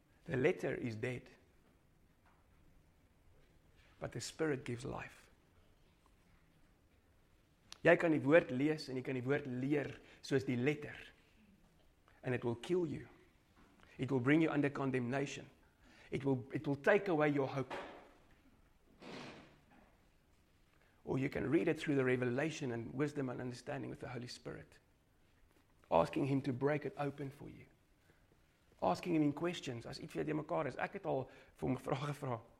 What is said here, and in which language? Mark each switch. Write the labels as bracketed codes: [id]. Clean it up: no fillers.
[en] The letter is dead, but the spirit gives life. [af] Jy kan die woord lees en jy kan die woord leer soos die letter. [en] And it will kill you. It will bring you under condemnation. It will take away your hope. Or you can read it through the revelation and wisdom and understanding with the Holy Spirit. Asking him to break it open for you. Asking him in questions. [af] As iets vir die mekaar is, ek het al vir my vraag gevra.